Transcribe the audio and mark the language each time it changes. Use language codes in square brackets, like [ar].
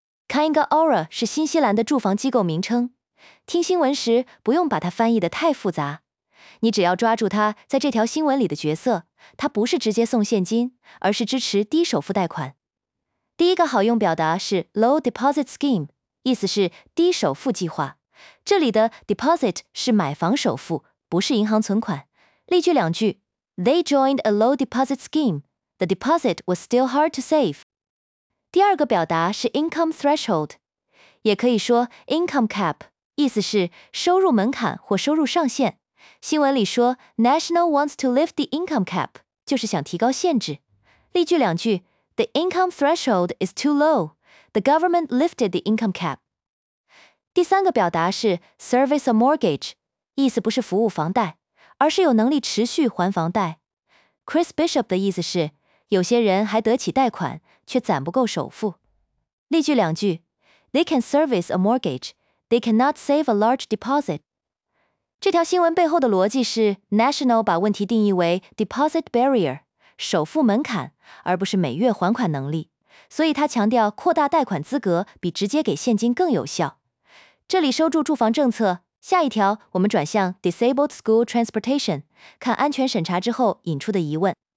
[zh] Kainga Ora 是新西兰的住房机构名称，听新闻时不用把它翻译得太复杂，你只要抓住他在这条新闻里的角色，他不是直接送现金，而是支持低首付贷款。第一个好用表达是 low deposit scheme， 意思是低首付计划。这里的 deposit 是买房首付，不是银行存款。例句两句： [en] They joined a low deposit scheme. The deposit was still hard to save. [zh] 第二个表达是 income threshold， 也可以说 income cap， 意思是收入门槛或收入上限。新闻里说 ， [en] National wants to lift the income cap， [zh] 就是想提高限制。例句两句 [en] ：The income threshold is too low. The government lifted the income cap. [zh] 第三个表达是 service a mortgage， 意思不是服务房贷，而是有能力持续还房贷。 Chris Bishop 的意思是，有些人还得起贷款，却攒不够首付。例句两句 [en] ：They can service a mortgage. They cannot save a large deposit. [zh] 这条新闻背后的逻辑是 National 把问题定义为 deposit barrier， 首付门槛，而不是每月还款能力，所以他强调扩大贷款资格比直接给现金更有效。这里收住住房政策，下一条我们转向 disabled school transportation， 看安全审查之后引出的疑问。